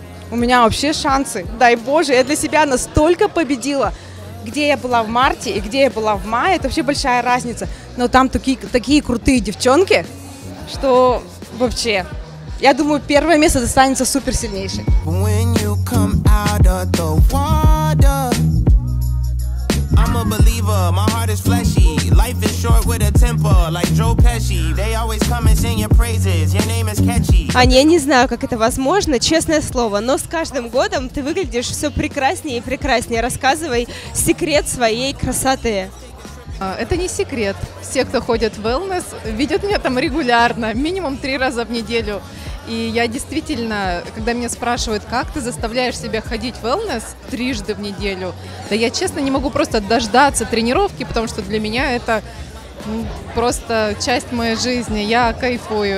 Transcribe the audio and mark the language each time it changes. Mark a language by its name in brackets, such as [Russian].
[Russian] У меня вообще шансы. Дай Боже, я для себя настолько победила. Где я была в марте и где я была в мае, это вообще большая разница. Но там такие крутые девчонки, что вообще. Я думаю, первое место достанется суперсильнейшей. [English] When you come out of the water. I'm a believer, my heart is fleshy. Life is short with a temper, like Joe Pesci. They always come and sing your praises, your name is catchy. [Russian] Аня, я не знаю, как это возможно, честное слово, но с каждым годом ты выглядишь все прекраснее и прекраснее. Рассказывай секрет своей красоты. Это не секрет. Все, кто ходит в wellness, видят меня там регулярно, минимум 3 раза в неделю. И я действительно, когда меня спрашивают, как ты заставляешь себя ходить в wellness 3 раза в неделю, да я честно не могу просто дождаться тренировки, потому что для меня это просто часть моей жизни. Я кайфую.